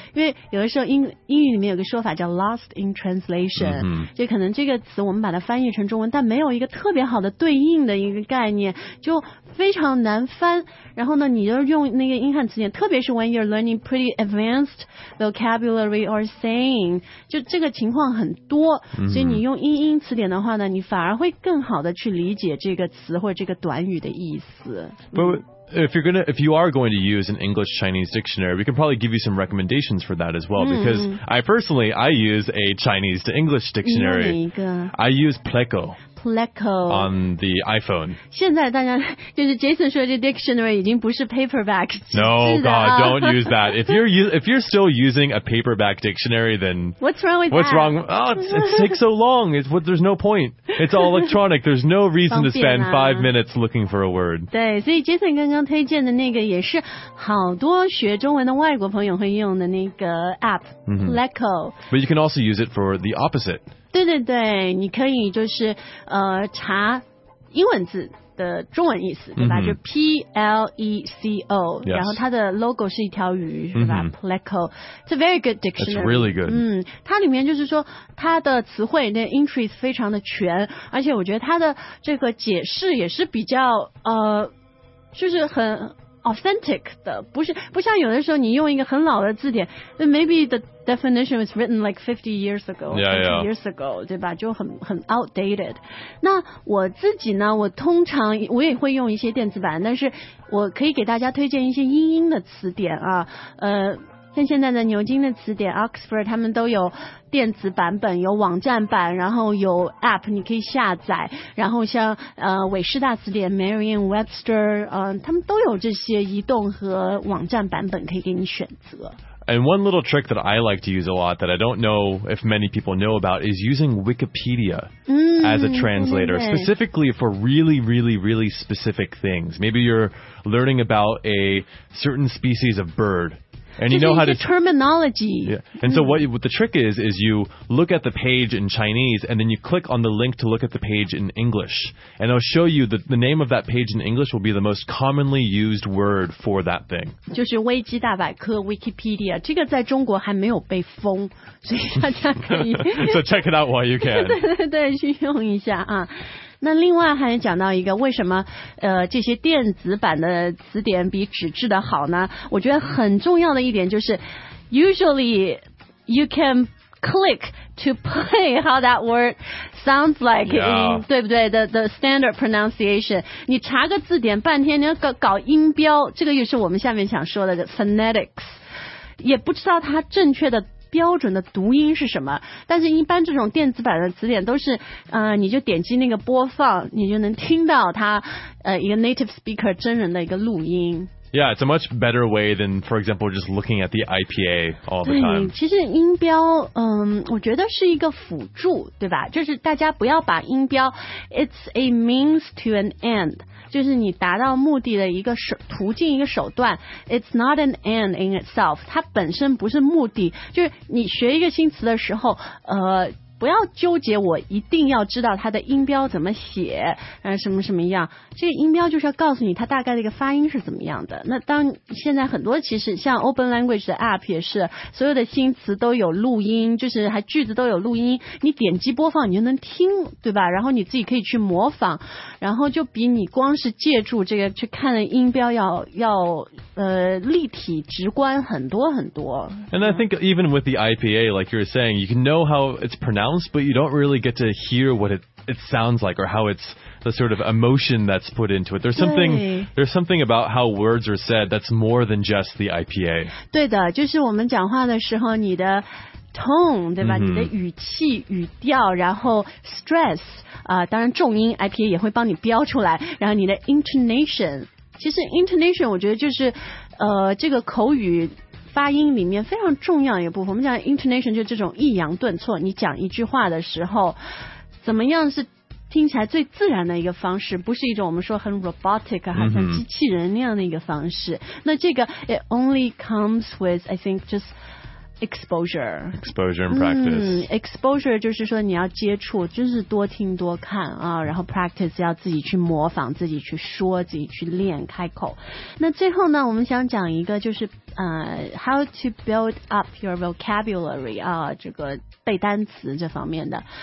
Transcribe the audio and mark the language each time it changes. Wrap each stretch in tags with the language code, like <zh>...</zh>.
<zh>因为有的时候英语里面有个说法叫</zh> <en>lost in translation,</en> <zh>就可能这个词我们把它翻译成中文，但没有一个特别好的对应的一个概念，就非常难翻。然后呢，你就用那个英汉词典，特别是</zh> <en>when you're learning pretty advanced vocabulary or saying,</en> <zh>就这个情况很多，所以你用英英词典的话呢，你反而会更好的去理解这个词或者这个短语的意思。</zh> <en>If you are going to use an English Chinese dictionary, we can probably give you some recommendations for that as well. Because I personally use a Chinese to English dictionary. I use Pleco. Pleco on the iPhone.</en> <zh>现在大家就是 Jason 说的 dictionary 已经不是 paperback.</zh> <en>No, God, don't use that. If you're still using a paperback dictionary, then what's wrong with that? Oh, it takes so long. There's no point. It's all electronic. There's no reason to spend 5 minutes looking for a word.</en> <zh>对，所以 Jason 刚刚推荐的那个也是好多学中文的外国朋友会用的那个 app Pleco.</zh> <en>But you can also use it for the opposite.</en> <zh>对对对，你可以就是查英文字的中文意思，对吧？就 Pleco,、</zh> <en>yes.</en> <zh>然后它的 logo 是一条鱼，是吧 ？Pleco,</zh> <en>it's a very good dictionary. It's really good.</en> <zh>它里面就是说它的词汇那 entries 非常的全，而且我觉得它的这个解释也是比较就是很 authentic 的，不是不像有的时候你用一个很老的字典 ，</zh> <en>maybe the definition was written like 50 years ago,</en> <zh>years ago， 对吧？就很 outdated。那我自己呢，我通常我也会用一些电子版，但是我可以给大家推荐一些英英的词典啊，像现在的牛津的词典 Oxford 他们都有电子版本，有网站版，然后有 app 你可以下载，然后像韦士大词典 Merriam-Webster 他们都有这些移动和网站版本可以给你选择。</zh> <en>And one little trick that I like to use a lot that I don't know if many people know about is using Wikipedia as a translator, specifically for really, really, really specific things. Maybe you're learning about a certain species of bird. And you know how to terminology. Yeah. And so what the trick is you look at the page in Chinese and then you click on the link to look at the page in English. And it'll show you that the name of that page in English will be the most commonly used word for that thing.</en> <zh>就是危机大百科 Wikipedia. 这个在中国还没有被封，所以大家可以。</zh> <en>So check it out while you can.</en> <zh>对对对，去用一下啊。那另外还讲到一个为什么这些电子版的词典比纸质的好呢？我觉得很重要的一点就是</zh> <en>usually you can click to play how that word sounds like、 yeah.</en> <zh>对不对</zh> <en>the standard pronunciation</en> <zh>你查个字典半天你要搞音标，这个也是我们下面想说的 phonetics， 也不知道它正确的标准的读音是什么，但是一般这种电子版的词典都是你就点击那个播放你就能听到它一个 native speaker 真人的一个录音。</zh> <en>Yeah, it's a much better way than, for example, just looking at the IPA all the time.</en> <zh>其实音标我觉得是一个辅助，对吧？就是大家不要把音标</zh> <en>it's a means to an end.</en> <zh>就是你达到目的的一个途径一个手段</zh> <en>It's not an end in itself</en> <zh>它本身不是目的就是你学一个新词的时候不要纠结我一定要知道它的音标怎么写什么什么样这个音标就是要告诉你它大概的一个发音是怎么样的那当现在很多其实像 Open Language 的 App 也是所有的新词都有录音就是还句子都有录音你点击播放你就能听对吧然后你自己可以去模仿然后就比你光是借助这个去看的音标要立体直观很多很多</zh> <en>And I think even with the IPA like you're saying you can know how it's pronounced but you don't really get to hear what it sounds like or how it's the sort of emotion that's put into it there's something about how words are said that's more than just the IPA</en> <zh>对的就是我们讲话的时候你的tone 对吧、mm-hmm. 你的语气语调然后 stress 当然重音 IPA 也会帮你标出来然后你的 intonation 其实 intonation 我觉得就是这个口语发音里面非常重要一部分我们讲 intonation 就是这种抑扬顿挫你讲一句话的时候怎么样是听起来最自然的一个方式不是一种我们说很 robotic 好像机器人那样的一个方式、mm-hmm. 那这个</zh> <en>it only comes with I think justExposure and practice.</en> <zh>Exposure 就是说你要接触，就是多听多看啊，然后 practice 要自己去模仿，自己去说，自己去练开口。那最后呢，我们想讲一个就是</zh> <en>how to build up your vocabulary</en> <zh>啊，这个背单词这方面的。</zh>